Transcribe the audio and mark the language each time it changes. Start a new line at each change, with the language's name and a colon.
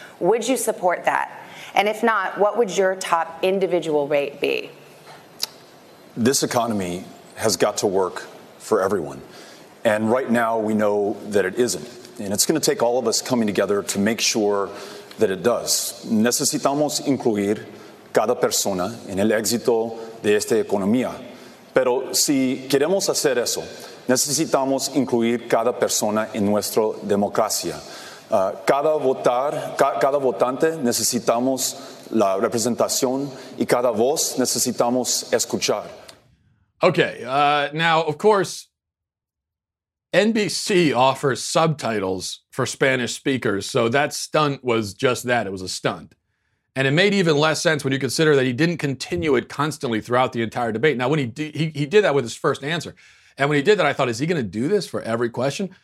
English: Would you support that? And if not, what would your top individual rate be? This economy has got to work for everyone. And right now, we know that it isn't. And it's going to take all of us coming together to make sure that it does.
Spanish: Necesitamos incluir cada persona en el éxito de esta economía. Pero si queremos hacer eso, necesitamos incluir cada persona en nuestra democracia. Cada votante necesitamos la representación y cada voz necesitamos escuchar.
English: Okay, now, of course, NBC offers subtitles for Spanish speakers, so that stunt was just that. It was a stunt. And it made even less sense when you consider that he didn't continue it constantly throughout the entire debate. Now, when he did that with his first answer. And when he did that, I thought, is he going to do this for every question?